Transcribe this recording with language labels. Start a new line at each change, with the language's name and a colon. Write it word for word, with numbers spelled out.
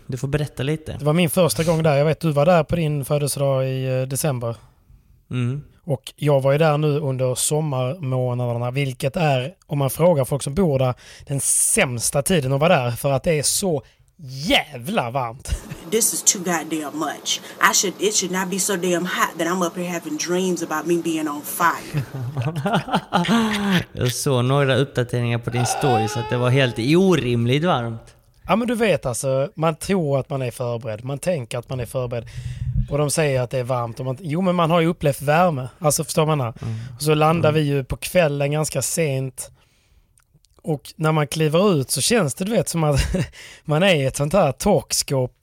Swedish: Du får berätta lite. Det var min första gång där. Jag vet, du var där på din födelsedag i eh, december. Mm. Och jag var ju där nu under sommarmånaderna, vilket är, om man frågar folk som bor där, den sämsta tiden att vara där för att det är så jävla varmt.
English: This is too goddamn much. I should, it should not be so damn hot that I'm up here having dreams about me being on fire.
Swedish: Jag såg några uppdateringar på din story så att det var helt orimligt varmt. Ja men du vet alltså, man tror att man är förberedd, man tänker att man är förberedd. Och de säger att det är varmt. Och man, jo, men man har ju upplevt värme. Alltså, förstår man här? Mm. Och så landar mm. vi ju på kvällen ganska sent. Och när man kliver ut så känns det, du vet, som att man är i ett sånt här torkskåp.